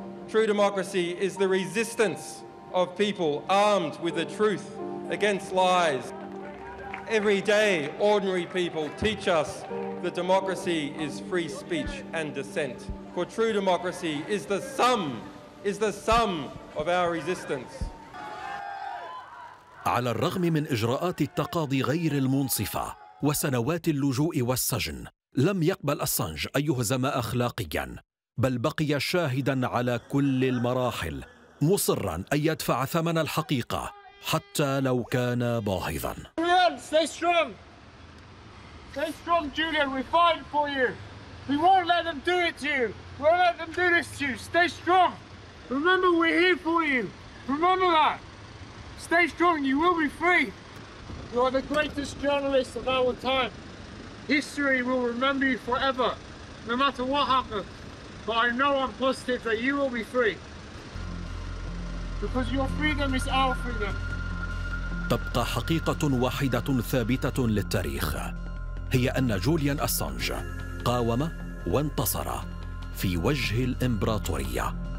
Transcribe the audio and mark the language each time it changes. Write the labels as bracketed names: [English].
[English] True democracy is the resistance of people armed with the truth against lies. Every day, ordinary people teach us that democracy is free speech and dissent. For true democracy is the sum of our resistance. [Arabic] على الرغم من إجراءات التقاضي غير المنصفة وسنوات اللجوء والسجن، لم يقبل أسانج أي هزم أخلاقياً، بل بقي شاهداً على كل المراحل، مصراً أن يدفع ثمن الحقيقة حتى لو كان باهظاً. [English] Julian, stay strong. Stay strong, Julian. We're fighting for you. We won't let them do it to you. We won't let them do this to you. Stay strong. Remember, we're here for you. Remember that. Stay strong, you will be free. You are the greatest journalist of our time. History will remember you forever, no matter what happens. But I know I'm positive that you will be free. Because your freedom is our freedom. [Arabic] تبقى حقيقة واحدة ثابتة للتاريخ، هي أن جوليان أسانج قاوم وانتصر في وجه الإمبراطورية.